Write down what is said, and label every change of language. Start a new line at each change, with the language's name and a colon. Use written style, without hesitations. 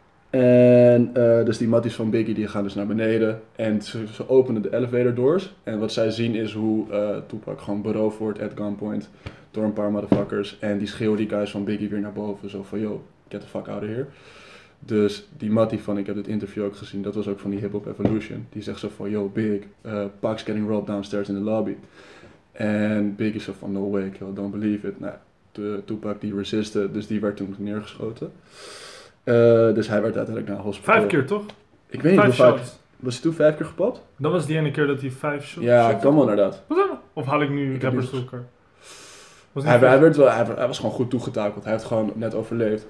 Dutch: En dus die matties van Biggie die gaan dus naar beneden en ze openen de elevator doors. En wat zij zien is hoe Tupac gewoon beroofd wordt
English: at gunpoint
Dutch: door een paar motherfuckers. En die schreeuwen die guys van Biggie weer naar boven, zo van, yo,
English: get the fuck out of here.
Dutch: Dus die mattie van, ik heb dit interview ook gezien, dat was ook van die Hip Hop Evolution. Die zegt zo van,
English: yo, Big, Pac's getting robbed downstairs in the lobby. En Biggie is zo van, no way, kill, don't believe it.
Dutch: Nou, Tupac die resiste, dus die werd toen neergeschoten. Dus hij werd uiteindelijk naar hospital. Vijf keer toch? Ik weet niet hoe vaak. Was hij toen vijf keer gepopt? Dat was die ene keer dat hij vijf shots. Ja, kan wel inderdaad. Of haal ik nu rappers door elkaar? Hij was gewoon goed toegetakeld. Hij heeft gewoon net overleefd.